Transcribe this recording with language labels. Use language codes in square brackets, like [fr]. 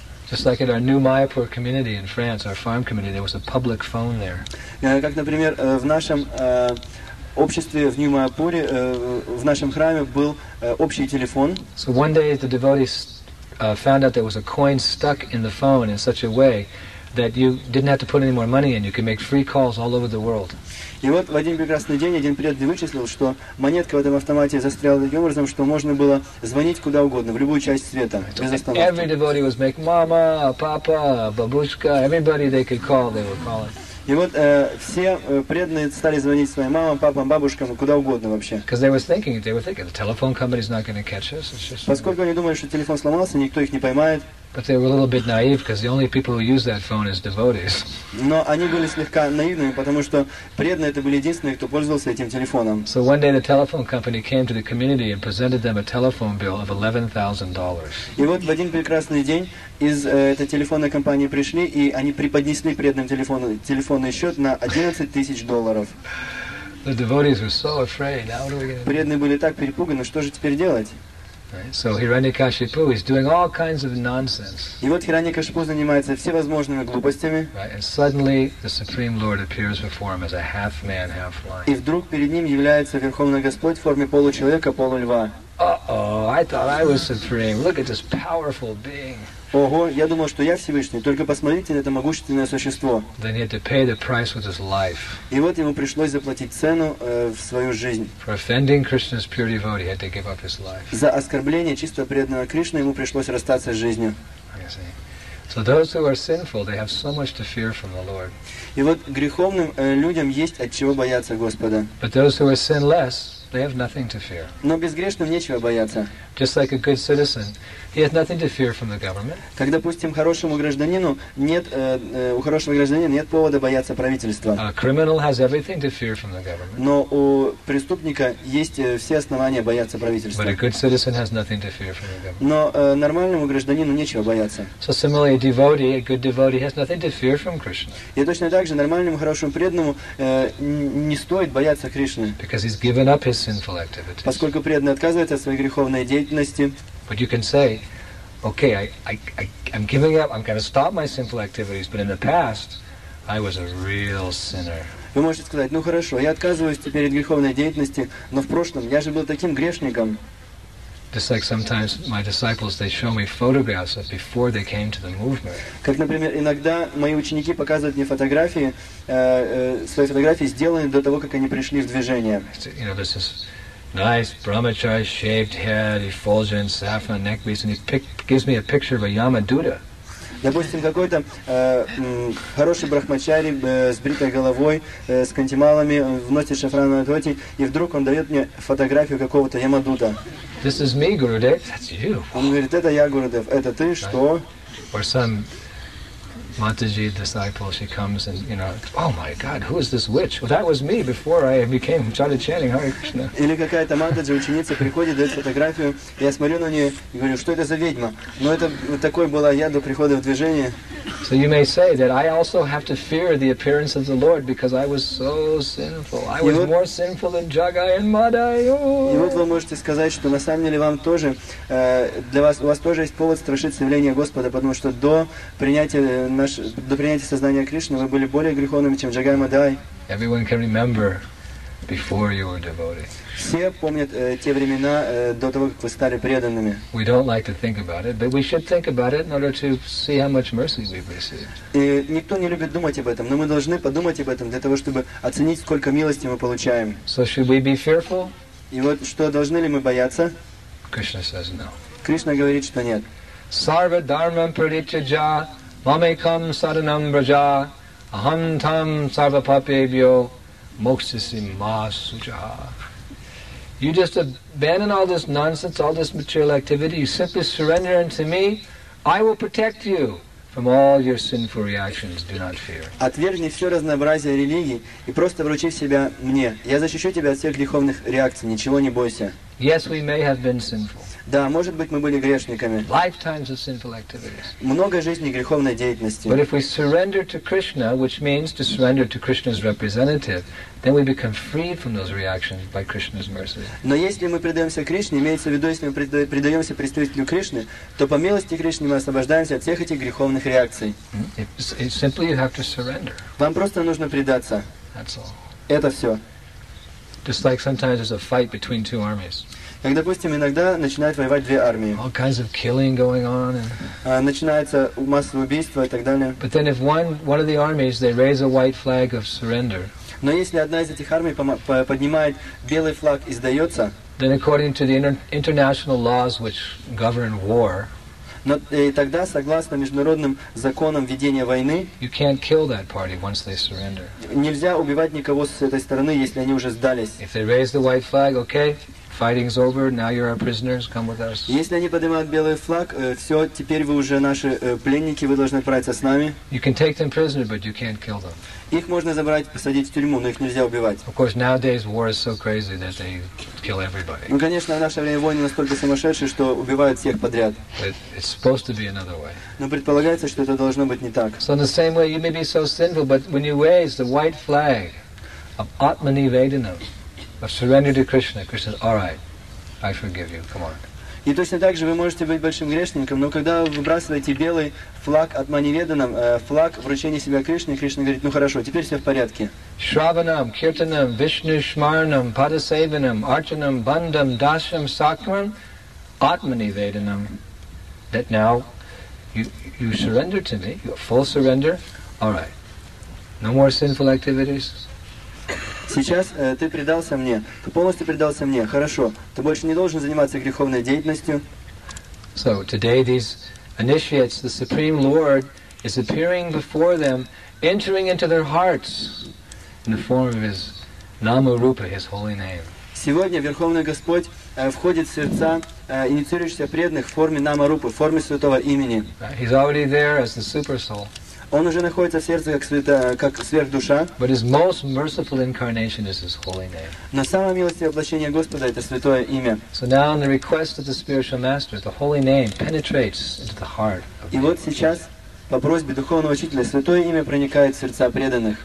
[en] Just like in our new Mayapur community in France, our farm community, there was a public phone there. [ru] Как, например, в нашем обществе в Нью-Майапуре, в нашем храме был общий телефон. [en] So one day the devotees found out there was a coin stuck in the phone in such a way that you didn't have to put any more money in, you could make free calls all over the world. [ru] И вот в один прекрасный день один преданный вычислил, что монетка в этом автомате застряла таким образом, что можно было звонить куда угодно, в любую часть света, без остановки. [en] Every devotee was making mama, papa, babushka, everybody they could call, they were calling. [ru] И вот все преданные стали звонить своим мамам, папам, бабушкам, куда угодно вообще. [en] Because they were thinking, the telephone company's not going to catch us. [ru] Поскольку они думали, что телефон сломался, никто их не поймает. [en] But they were a little bit naive, because the only people who use that phone is devotees. [ru] Но они были слегка наивными, потому что преданные это были единственные, кто пользовался этим телефоном. [en] So one day the telephone company came to the community and presented them a telephone bill of $11,000. [ru] И вот в один прекрасный день из этой телефонной компании пришли, и они преподнесли преданным телефонный счет на $11,000. [en] The devotees were so afraid. Now what are we going to do? [ru] Преданные были так перепуганы, что же теперь делать? [en] Right. So Hiranyakashipu is doing all kinds of nonsense. [ru] И вот Хираньякашипу занимается всевозможными глупостями. [en] Right. And suddenly the Supreme Lord appears before him as a half man, half lion. [ru] И вдруг перед ним является Верховный Господь в форме получеловека, полульва. [en] Uh-oh, I thought I was supreme. Look at this powerful being. [ru] Ого, я думал, что я Всевышний. Только посмотрите на это могущественное существо. [en] Then he had to pay the price with his life. [ru] И вот ему пришлось заплатить цену в свою жизнь. [en] For offending Krishna's pure devotee, he had to give up his life. [ru] За оскорбление чистого преданного Кришны ему пришлось расстаться с жизнью. [en] So those who are sinful, they have so much to fear from the Lord. [ru] И вот греховным людям есть от чего бояться Господа. [en] But those who are sinless, they have nothing to fear. [ru] Но безгрешным нечего бояться. [en] Just like a good citizen, he has nothing to fear from the government. [ru] Как, допустим, хорошему гражданину нет у хорошего гражданина нет повода бояться правительства. [en] A criminal has everything to fear from the government. [ru] Но у преступника есть все основания бояться правительства. [en] But a good citizen has nothing to fear from the government. [ru] Но нормальному гражданину нечего бояться. [en] So similarly, a good devotee has nothing to fear from Krishna. [ru] И точно так же нормальному хорошему преданному не стоит бояться Кришны. [en] Because he's given up his sinful activities. [ru] Поскольку преданный отказывается от своей греховной деятельности. [en] But you can say, okay, I'm giving up, I'm going to stop my sinful activities, but in the past, I was a real sinner. [ru] Вы можете сказать, ну хорошо, я отказываюсь теперь от греховной деятельности, но в прошлом я же был таким грешником. [en] Just like sometimes my disciples, they show me photographs of before they came to the movement. [ru] Как, например, иногда мои ученики показывают мне фотографии, свои фотографии, сделанные до того, как они пришли в движение. [en] You know, this is nice brahmachari shaved head, effulgent saffron neckpiece, and he gives me a picture of a Yamaduta. [ru] Допустим, какой-то хороший брахмачари с бритой головой, с кантималами, вносит шафрановый тоти, и вдруг он дает мне фотографию какого-то Ямадута. [en] This is me, Gurudev. That's you. [ru] Он говорит, это я, Гурудев. Это ты, что? [en] Or some Mataji disciple, she comes and, you know, oh my God, who is this witch? Well, that was me before I became started chanting Hare Krishna. [ru] Или какая-то Матаджи ученица приходит, дает фотографию, я смотрю на нее и говорю, что это за ведьма? Ну, это вот такой была я до прихода в движение. [en] So you may say that I also have to fear the appearance of the Lord because I was so sinful. I was more sinful than Jagai and Madai. [ru] И вот вы можете сказать, что на самом деле вам тоже, для вас, у вас тоже есть повод страшиться явления Господа, потому что до принятия сознания Кришны вы были более греховными, чем Джагай Мадай. [en] Everyone can remember before you were devotee. [ru] Все помнят те времена до того, как вы стали преданными. [en] We don't like to think about it, but we should think about it in order to see how much mercy we've received. [ru] И никто не любит думать об этом, но мы должны подумать об этом для того, чтобы оценить, сколько милости мы получаем. [en] So should we be fearful? [ru] И вот что должны ли мы бояться? [en] Krishna says no. [ru] Кришна говорит, что нет. [sa] Sarva dharmam pratityaja mamekam sadanam braja aham tam sarva papebhyo moksasim ma sujaha. [en] You just abandon all this nonsense, all this material activity, you simply surrender unto me, I will protect you from all your sinful reactions, do not fear. [ru] Отвергни все разнообразие религий и просто вручи себя мне. Я защищу тебя от всех греховных реакций, ничего не бойся. [en] Yes, we may have been sinful. [ru] Да, может быть, мы были грешниками. [en] Lifetimes of sinful activities. [ru] Много жизней греховной деятельности. [en] But if we surrender to Krishna, which means to surrender to Krishna's representative, then we become freed from those reactions by Krishna's mercy. [ru] Но если мы предаемся Кришне, имеется в виду, если мы предаемся представителю Кришны, то по милости Кришны мы освобождаемся от всех этих греховных реакций. [en] It's simply you have to surrender. [ru] Вам просто нужно предаться. [en] That's all. [ru] Это все. [en] Just like sometimes there's a fight between two armies. [ru] Как, допустим, иногда начинают воевать две армии. [en] All kinds of killing going on. [ru] Начинается массовое убийство и так далее. [en] But then if one of the armies, they raise a white flag of surrender. [ru] Но если одна из этих армий поднимает белый флаг и сдается, [en] then according to the international laws which govern war, [ru] и тогда, согласно международным законам ведения войны, [en] you can't kill that party once they surrender. [ru] Нельзя убивать никого с этой стороны, если они уже сдались. [en] If they raise the white flag, okay. Fighting's over. Now you're our prisoners. Come with us. [ru] Если они поднимают белый флаг, все, теперь вы уже наши пленники. Вы должны отправиться с нами. [en] You can take them prisoner, but you can't kill them. [ru] Их можно забрать, посадить в тюрьму, но их нельзя убивать. [en] Of course, nowadays war is so crazy that they kill everybody. [ru] Ну, конечно, в наше время войны настолько сумасшедшие, что убивают всех подряд. [en] But it's supposed to be another way. [ru] Но предполагается, что это должно быть не так. [en] So in the same way, you may be so sinful, but when you raise the white flag of Atmani Vedana. I've surrendered to Krishna. Krishna says, "All right, I forgive you. Come on." [ru] И точно так же вы можете быть большим грешником, но когда вы выбрасываете белый флаг от маниведанам, флаг вручения себя Кришне, Кришна говорит: "Ну хорошо, теперь все в порядке." [sa] Shravanam, Kirtanam, Vishnu Shmaranam, Padasevanam, Archanam, Bandham, Dasham, Sakram, Atmani Vedanam. [en] That now you surrender to me, your full surrender. All right, no more sinful activities. [ru] Сейчас ты предался мне, ты полностью предался мне. Хорошо, ты больше не должен заниматься греховной деятельностью. [en] So today these initiates, the Supreme Lord is appearing before them, entering into their hearts in the form of His Nama Rupa, His holy name. [ru] Сегодня Верховный Господь входит в сердца инициирующихся преданных в форме Нама Рупы, в форме Святого Имени. He's already there as the super soul. Он уже находится в сердце как сверхдуша. But his most merciful incarnation is his holy name. Но самое милостивое воплощение Господа это святое имя. So now, on the request of the spiritual master, the holy name penetrates into the heart. И вот сейчас по просьбе духовного учителя святое имя проникает в сердца преданных.